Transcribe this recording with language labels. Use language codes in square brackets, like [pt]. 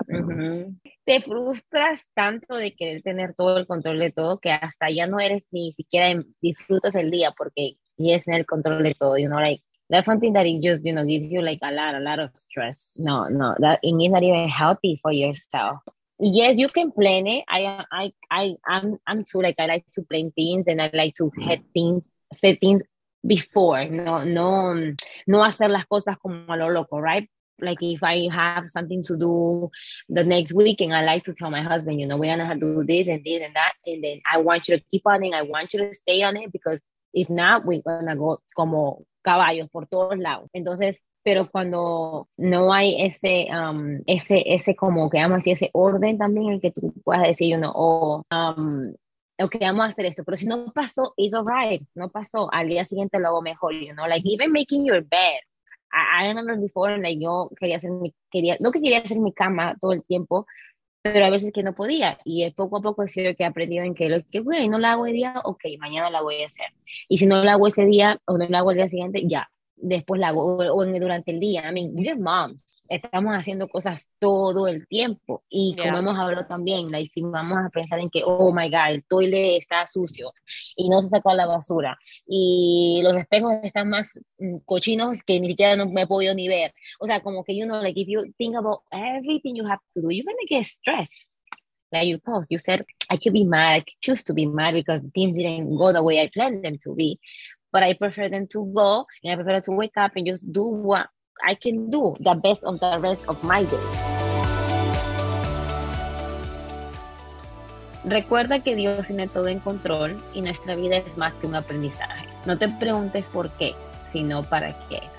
[es] Mm-hmm. Te frustras tanto de querer tener todo el control de todo que hasta ya no eres ni siquiera disfrutas el día porque quieres tener el control de todo, [en] you know, like. That's something that it just, you know, gives you like a lot of stress. No, that it is not even healthy for yourself. Yes, you can plan it. I'm too, like, I like to plan things, and I like to set things before. [es] No hacer las cosas como a lo loco, [en] right? Like if I have something to do the next weekend, I like to tell my husband, you know, we're gonna have to do this and that, and then I want you to keep on it. I want you to stay on it, because if not, we're gonna go [es] como caballos por todos lados. Entonces, pero cuando no hay ese como que vamos a decir, ese orden también, el que tú puedas decir, [en] you know, okay, [es] vamos a hacer esto, pero si no pasó, [en] it's all right, [es] no pasó, al día siguiente lo hago mejor, [en] you know, like even making your bed. I remember before, like, [es] yo quería hacer mi cama todo el tiempo, pero a veces que no podía, y es poco a poco decir que he aprendido en que lo que bueno, no la hago el día, okay, mañana la voy a hacer, y si no la hago ese día o no la hago el día siguiente, ya después la hago, o en, durante el día. [en] I mean, we're moms. [es] Estamos haciendo cosas todo el tiempo. Y como hemos hablado también, like, si vamos a pensar en que, [en] oh my God, [es] el toilet está sucio y no se sacó la basura y los espejos están más cochinos que ni siquiera no me he podido ni ver. O sea, como que, [en] you know, like, if you think about everything you have to do, you're going to get stressed. Like you post, you said, I could be mad, I could choose to be mad because things didn't go the way I planned them to be. But I prefer them to go, and I prefer to wake up and just do what I can do, the best of the rest of my day. [es] Recuerda que Dios tiene todo en control y nuestra vida es más que un aprendizaje. No te preguntes por qué, sino para qué.